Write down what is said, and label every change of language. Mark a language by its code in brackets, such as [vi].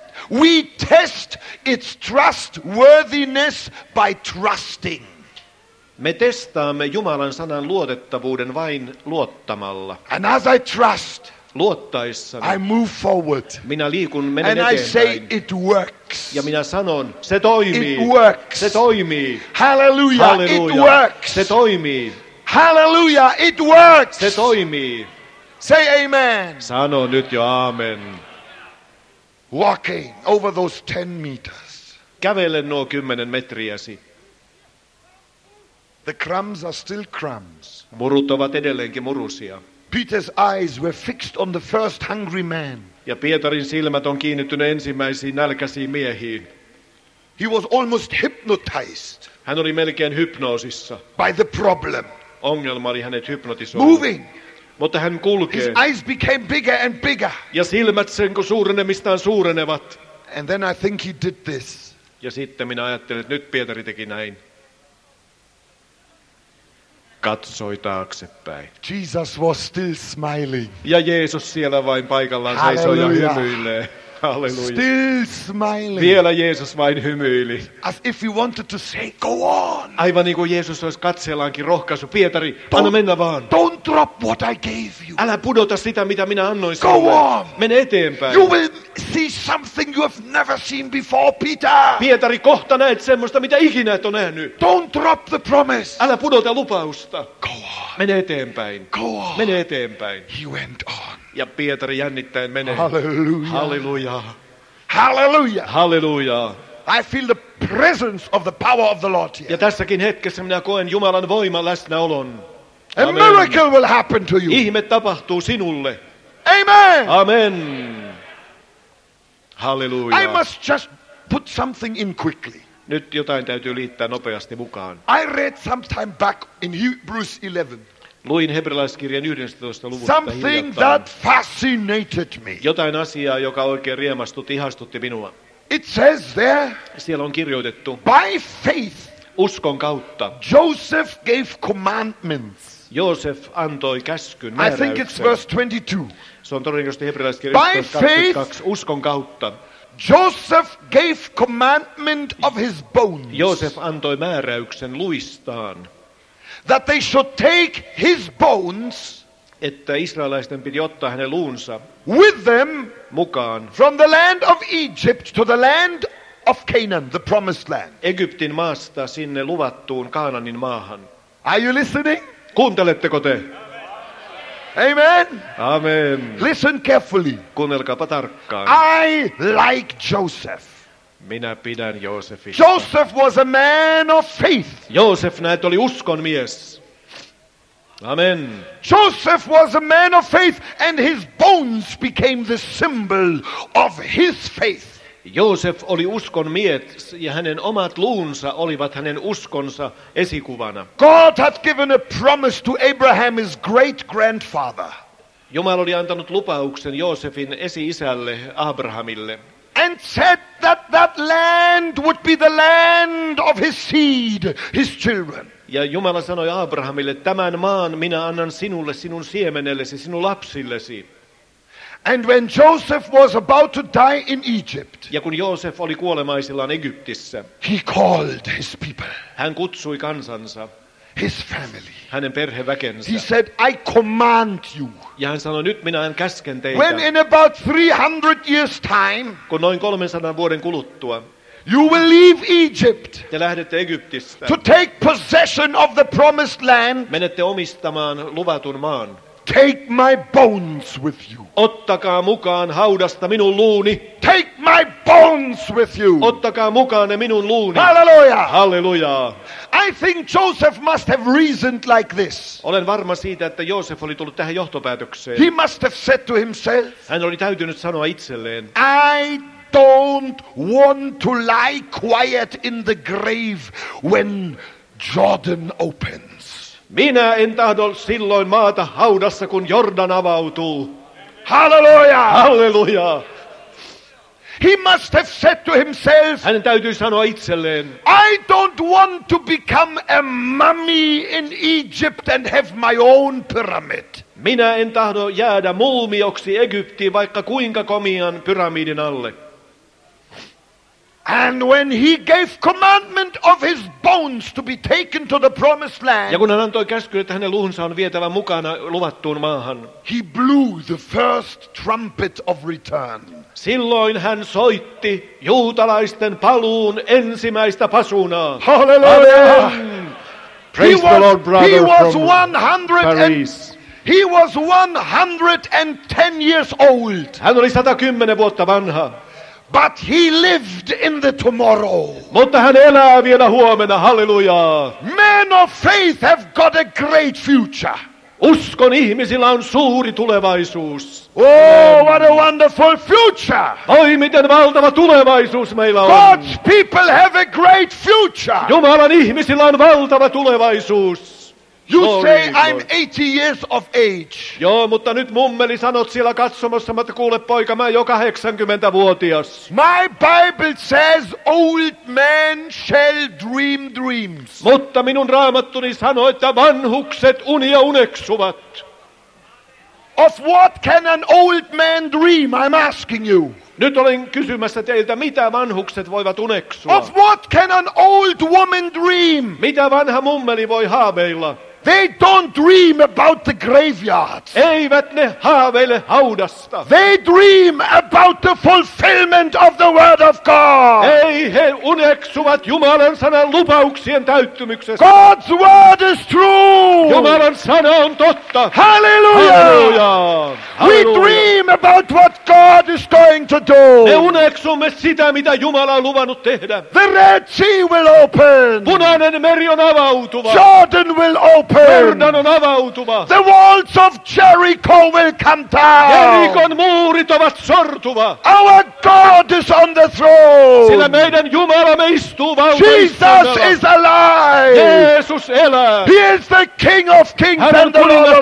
[en] We test its trustworthiness by trusting. [fi] Me testaamme Jumalan sanan luotettavuuden vain luottamalla. [en] And as I trust, [fi] luottaessani, [en] I move forward. [fi] Minä liikun, menen eteenpäin. [en] And I say it works. [fi] Ja minä sanon, se toimii. [en] It works. [fi] Se toimii. [en] Hallelujah. [fi] Hallelujah. [en] It works. [fi] Se toimii. [en] Hallelujah. It works. [fi] Se toimii. [en] Say amen. [fi] Sano nyt jo aamen. [en] Walking over those 10 meters. [fi] Kävelen nuo 10 metriäsi. [en] The crumbs are still crumbs. [fi] Murut ovat edelleenkin murusia. [en] Peter's eyes were fixed on the first hungry man. [fi] Ja Pietarin silmät on kiinnittynyt ensimmäisiin nälkäisiin miehiin. [en] He was almost hypnotized. [fi] Hän oli melkein hypnoosissa. [en] By the problem. [fi] Ongelma oli hänet hypnotisoinut. [en] Moving. [fi] Mutta hän kulkee. [en] His eyes became bigger and bigger. [fi] Ja silmät sen kun suurenemistaan suurenevat. [en] And then I think he did this. [fi] Ja sitten minä ajattelin, että nyt Pietari teki näin. Katsoi taaksepäin. [en] Jesus was still smiling. [fi] Ja Jeesus siellä vain paikallaan seisoi ja hymyilee. Halleluja. [en] Still smiling. [fi] Vielä Jeesus vain hymyili. [en] As if he wanted to say, go on. [fi] Aivan niin kuin Jeesus olisi katseellaankin rohkaisu. Pietari, anna mennä vaan. [en] Don't drop what I gave you. [fi] Älä pudota sitä, mitä minä annoin sinulle. [en] Go on. [fi] Mene eteenpäin. [en] You will see something you have never seen before, Peter. [fi] Pietari, kohta näet semmoista, mitä ikinä et ole nähnyt. [en] Don't drop the promise. [fi] Älä pudota lupausta. [en] Go on. [fi] Mene eteenpäin. [en] Go on. [fi] Mene eteenpäin. [en] He went on. [fi] Ja Pietari jännittäen menee. [en] Hallelujah. [fi] Hallelujah. [en] Hallelujah. [fi] Hallelujah. [en] I feel the presence of the power of the Lord here. [fi] Ja tässäkin hetkessä minä koen Jumalan voiman läsnäolon. [en] Amen. A miracle will happen to you. [fi] Ihme tapahtuu sinulle. Amen. [en] Amen. Hallelujah. I must just put something in quickly. [fi] Nyt jotain täytyy liittää nopeasti mukaan. [en] I read sometime back in Hebrews 11. [fi] Luin hebrealaiskirjan 11. luvusta [en] something [fi] hiljattain. [en] That fascinated me. [fi] Jotain asiaa, joka oikein riemastutti, ihastutti minua. [en] It says there, [fi] siellä on kirjoitettu, [en] by faith, [fi] uskon kautta, [en] Joseph gave commandments. [fi] Joseph antoi käskyn, [en] I think it's verse 22. [fi] Se on todennäköisesti hebrealaiskirjan 11.22, uskon kautta. [en] Joseph gave commandment of his bones. [fi] Joseph antoi määräyksen luistaan. [en] That they should take his bones, [fi] että israelaisten piti ottaa hänen luunsa, [en] with them, [fi] mukaan, [en] from the land of Egypt to the land of Canaan, the promised land. [fi] Egyptin maasta sinne luvattuun Kaananin maahan. [en] Are you listening? [fi] Kuunteletteko te? [en] Amen. [fi] Amen. [en] Listen carefully. [fi] Kuunnelkaapa tarkkaan. [en] I like Joseph. [fi] Minä pidän Joosefista. [en] Joseph was a man of faith. [fi] Joseph näet oli uskon mies. [en] Amen. Joseph was a man of faith and his bones became the symbol of his faith. [fi] Joseph oli uskon mies ja hänen omat luunsa olivat hänen uskonsa esikuvana. [en] God had given a promise to Abraham his great grandfather. [fi] Jumala oli antanut lupauksen Joosefin esi-isälle Abrahamille. [en] And said that that land would be the land of his seed, his children. [fi] Ja Jumala sanoi Abrahamille, tämän maan minä annan sinulle, sinun siemenellesi, sinun lapsillesi. [en] And when Joseph was about to die in Egypt, [fi] ja kun Joseph oli kuolemaisillaan Egyptissä, [en] he called his people. [fi] Hän kutsui kansansa. [en] His family. [fi] Hänen perheväkensä. [en] He said, I command you. [fi] Ja hän sanoi, nyt minä en käsken teitä. [en] When in about 300 years time, [fi] kun noin 300 vuoden kuluttua, [en] you will leave Egypt. [fi] Te lähdette Egyptistä. [en] To take possession of the promised land. [fi] Menette omistamaan luvatun maan. [en] Take my bones with you. [fi] Ottakaa mukaan haudasta minun luuni. [en] Take my bones with you. [fi] Ottakaa mukaan ne minun luuni. [en] Hallelujah. [fi] Hallelujah. [en] I think Joseph must have reasoned like this. [fi] Olen varma siitä, että Joseph oli tullut tähän johtopäätökseen. [en] He must have said to himself. [fi] Hän oli täytynyt sanoa itselleen. [en] I don't want to lie quiet in the grave when Jordan opens. [fi] Minä en tahdo silloin maata haudassa, kun Jordan avautuu. [en] Hallelujah. [fi] Hallelujah. [en] He must have said to himself, [fi] hänen täytyy sanoa itselleen, [en] I don't want to become a mummy in Egypt and have my own pyramid. [fi] Minä en tahdo jäädä mulmioksi Egyptiin, vaikka kuinka komian pyramidin alle. [en] And when he gave commandment of his bones to be taken to the promised land, [fi] ja kun hän antoi käskyn, että hänen luunsa on vietävä mukana luvattuun maahan, [en] he blew the first trumpet of return. [fi] Silloin hän soitti juutalaisten paluun ensimmäistä pasunaa. [en] Hallelujah! Praise the Lord, brother. He was 100 He was 110 years old. [fi] Hän oli 110 vuotta vanha. [en] But he lived in the tomorrow. [fi] Mutta hän elää vielä huomenna, halleluja. [en] Men of faith have got a great future. [fi] Uskon ihmisillä on suuri tulevaisuus. [en] Oh, what a wonderful future. [fi] Voi miten valtava tulevaisuus meillä on. [en] God's people have a great future. [fi] Jumalan ihmisillä on valtava tulevaisuus. [en] You say I'm 80 years of age. [fi] Joo, mutta nyt mummeli sanot siellä katsomassa, mutta kuule poika, mä jo 80-vuotias. [en] My Bible says old men shall dream dreams. [fi] Mutta minun Raamattuni sanoo, että vanhukset unia uneksuvat. [en] Of what can an old man dream? I'm asking you. [fi] Nyt olen kysymässä teiltä, mitä vanhukset voivat uneksua. [en] Of what can an old woman dream? [fi] Mitä vanha mummeli voi haaveilla? [en] They don't dream about the graveyard. [fi] Eivät ne haaveile haudasta. [en] They dream about the fulfillment of the word of God. [fi] Ei, he uneksuvat Jumalan sanan lupauksien täyttymyksestä. [en] God's word is true. [fi] Jumalan sana on totta. Hallelujah. [en] We dream about what God is going to do. [fi] Me uneksumme sitä, mitä Jumala on luvannut tehdä. [en] The Red Sea will open. [fi] Punainen meri on avautuva. [en] Jordan will open. [fi] Jordan on avautuva. [en] The walls of Jericho will come down. [fi] Jerikon muurit ovat sortuva. [en] Our God is on the throne. [fi] Sillä meidän Jumalamme istuu valtaistuimella. [en] Jesus is alive. [fi] Jeesus elää. [en] He is the King of kings and the Lord of lords.